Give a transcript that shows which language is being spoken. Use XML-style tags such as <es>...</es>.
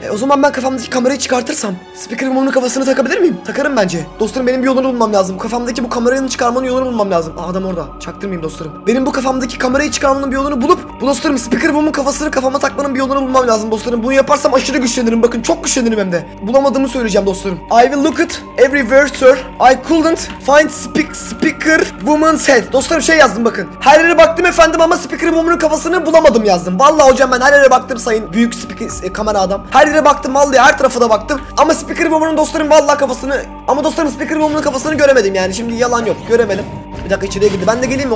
<tr>O zaman ben kafamdaki kamerayı çıkartırsam speaker bomb'un kafasını takabilir miyim? Takarım bence. Dostlarım benim bir yolunu bulmam lazım. Kafamdaki bu kamerayı çıkarmanın yolunu bulmam lazım. Aa, adam orada. Çaktırmayayım dostlarım. Benim bu kafamdaki kamerayı çıkarmanın bir yolunu bulup bu dostlarım speaker bomb'un kafasını kafama takmanın bir yolunu bulmam lazım dostlarım. Bunu yaparsam aşırı güçlenirim. Bakın çok güçlenirim hem de. Bulamadığımı söyleyeceğim dostlarım.</tr> <en>I will look it everywhere sir. I couldn't find speaker bomb's head.</en> <tr>Dostlarım şey yazdım bakın. Her yere baktım efendim ama speaker bomb'un kafasını bulamadım yazdım. Vallahi hocam ben her yere baktım sayın büyük speaker kamera adam. Her yere baktım vallahi her tarafa da baktım. Ama speaker bomb'un dostlarım vallahi kafasını ama dostlarım speaker bomb'un kafasını göremedim yani. Şimdi yalan yok. Göremedim. Bir dakika içeriye girdi. Ben de geleyim mi?</tr>